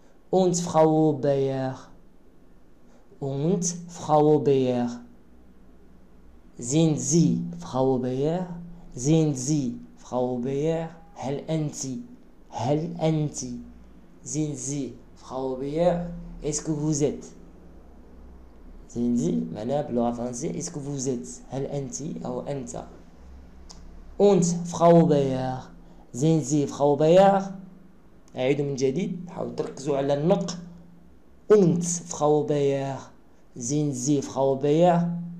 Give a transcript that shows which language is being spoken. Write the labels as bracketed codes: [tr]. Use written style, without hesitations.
[de] Und Frau Bayer. Und Frau Bayer. Sind Sie Frau Bayer? Sind Sie Frau Bayer? [ar] هل أنت؟ هل أنت؟ [de] Sind Sie Frau Bayer? [fr] Est-ce que vous êtes? [de] Sind Sie [ar] معناها باللغة الفرنسية [fr] Est-ce que vous êtes? [ar] هل أنت أو أنت؟ [de] Und Frau Bayer. Sind Sie Frau Bayer? [ar] أعيد من جديد حاول تركزوا على النطق. [de] Und Frau Bayer. Sind Sie Frau Bayer?